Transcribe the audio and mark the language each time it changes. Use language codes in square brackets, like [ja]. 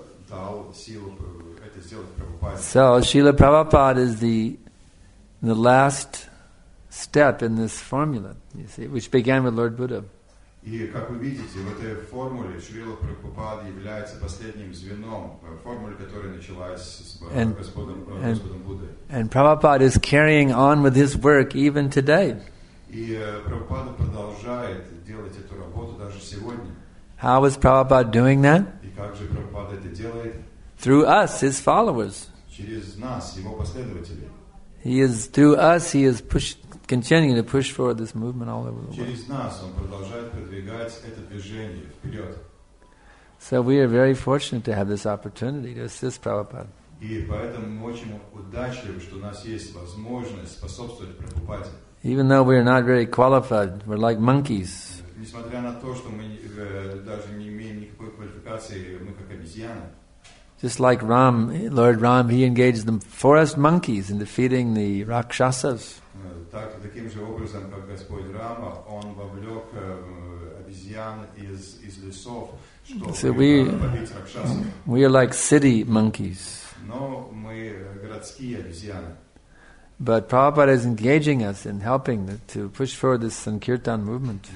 [en] So Srila Prabhupada is the last step in this formula, you see, which began with Lord Buddha. [ru] И как вы видите, в этой формуле Шрила Прабхупада является последним звеном формулы, которая началась с Господом Буддой. [en] And Prabhupada is carrying on with his work even today. [ru] И Прабхупада продолжает делать эту работу даже сегодня. [en] How is Prabhupada doing that? [ru] И как же Прабхупада это делает? [en] Through us, his followers. [ru] Через нас, его последователи. [en] He is through us. He is continuing to push forward this movement all over the world. [ru] Через нас он продолжает продвигать это движение вперед. [en] So we are very fortunate to have this opportunity to assist Prabhupada. [ru] И поэтому мы очень удачливы, что у нас есть возможность способствовать Прабхупаде. [en] Even though we are not very qualified, we're like monkeys. [ru] Несмотря на то, что мы даже не имеем никакой квалификации, мы как обезьяны. [en] Just like Ram, Lord Ram, he engaged the forest monkeys in defeating the Rakshasas. [ru] Таким же образом, как Господь Рама, он вовлек обезьян из лесов, чтобы побить Ракшасов. [en] We are like city monkeys. [ru] Но мы городские обезьяны. [en] But Prabhupada is engaging us in helping to push forward this Sankirtan movement.